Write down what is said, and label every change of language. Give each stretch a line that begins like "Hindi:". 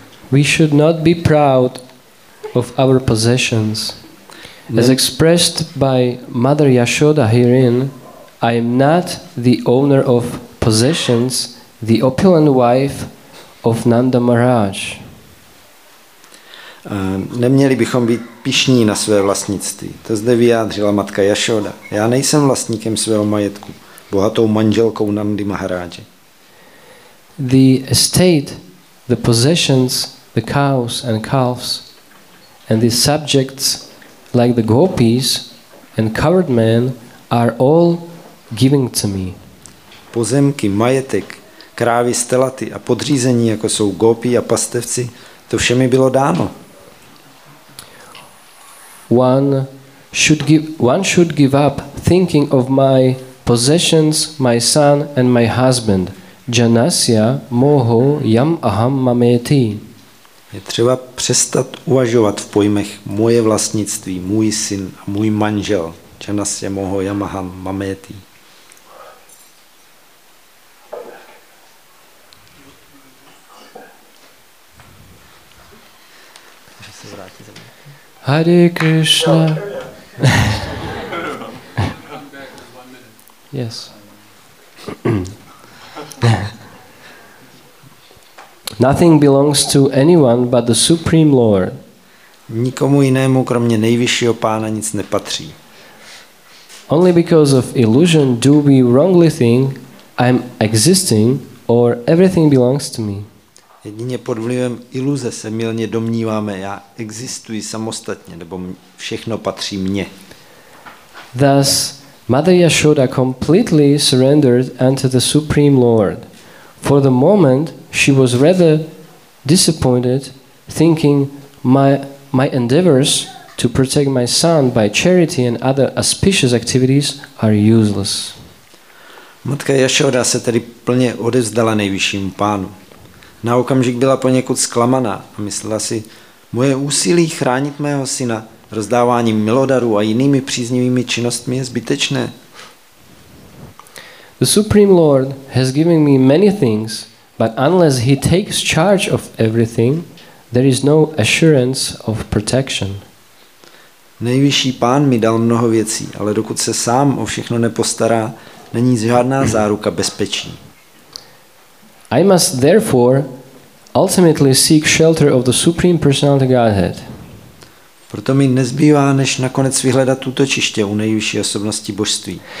English: We should not be proud of our possessions. As expressed by Mother Yashoda herein, I am not the owner of possessions, the opulent wife of Nanda Maharaj.
Czech: Neměli bychom být pyšní na své vlastnictví. To zde vyjádřila matka Yashoda. Já nejsem vlastníkem svého majetku, bohatou manželkou Nandy Maharaje.
English: The estate, the possessions, the cows and calves, and the subjects like the gopis and covered men are all given to me.
Czech: Pozemky, majetek, krávy, stelaty a podřízení, jako jsou gopi a pastevci, to vše mi bylo dáno.
English: One should give up thinking of my possessions, my son and my husband.
Sanskrit: Janasya moho yam aham mameti.
Czech: Je třeba přestat uvažovat v pojmech moje vlastnictví, můj syn a můj manžel.
Sanskrit: Janasya moho yam aham mameti. Hare Krishna.
English: Yes. Nothing belongs to anyone but the Supreme Lord.
Czech: Nikomu jinému kromě nejvyššího pána nic nepatří.
English: Only because of illusion do we wrongly think I'm existing or everything belongs to me.
Czech: Jedině pod vlivem iluze se mylně domníváme, já existuji samostatně, nebo všechno patří mně.
English: Thus, Mother Yashoda completely surrendered unto the Supreme Lord. For the moment, she was rather disappointed, thinking my endeavors to protect my son by charity and other auspicious activities are useless.
Czech: Matka Yashoda se tedy plně odevzdala nejvyššímu pánu. Na okamžik byla poněkud zklamaná a myslela si, moje úsilí chránit mého syna rozdáváním milodarů a jinými příznivými činnostmi je zbytečné.
English: The Supreme Lord has given me many things, but unless he takes charge of everything, there is no assurance of protection.
Czech: Nejvyšší pán mi dal mnoho věcí, ale dokud se sám o všechno nepostará, není žádná záruka bezpečí.
English: I must therefore ultimately seek shelter of the Supreme Personality Godhead.
Czech: Proto mi nezbývá, než nakonec vyhledat útočiště u nejvyšší osobnosti božství.